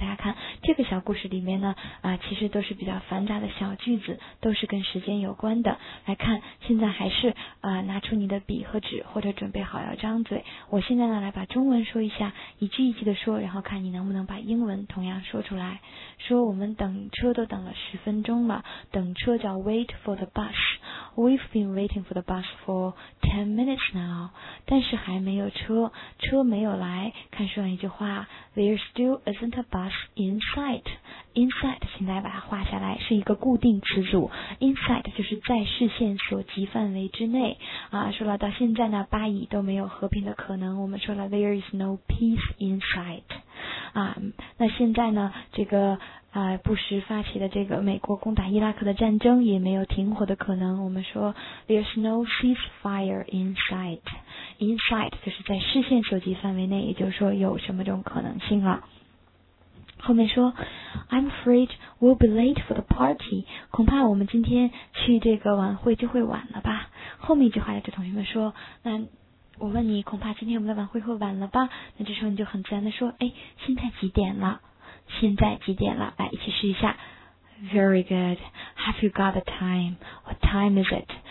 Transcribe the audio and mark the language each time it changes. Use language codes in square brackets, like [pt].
[zh] 大家看这个小故事里面呢其实都是比较繁杂的小句子，都是跟时间有关的。来看，现在还是拿出你的笔和纸，或者准备好要张嘴。我现在呢来把中文说一下，一句一句的说，然后看你能不能把英文同样说出来。说我们等车都等了10分钟了，等车叫 [en] wait for the bus。 We've been waiting for the bus for 10 minutes now. [zh] 但是还没有车，车没有来。看书上一句话 ， [en] There still isn't a bus in sight. [zh] In sight， 请大家把它画下来，是一个固定词组。In sight 就是在视线所及范围之内。啊，说了到现在呢，巴以都没有和平的可能。我们说了 ， [en] There is no peace in sight. [zh] 啊，那现在呢，这个。不时发起的这个美国攻打伊拉克的战争也没有停火的可能。我们说 [en] There's no ceasefire in sight. [zh] In sight 就是在视线所及范围内，也就是说有什么种可能性了。后面说 [en] I'm afraid we'll be late for the party. [zh] 恐怕我们今天去这个晚会就会晚了吧。后面一句话就同学们说，那我问你，恐怕今天我们的晚会会晚了吧。那这时候你就很自然的说，哎，现在几点了，现在几点了，来一起试一下。 [en] Very good. Have you got the time? What time is it?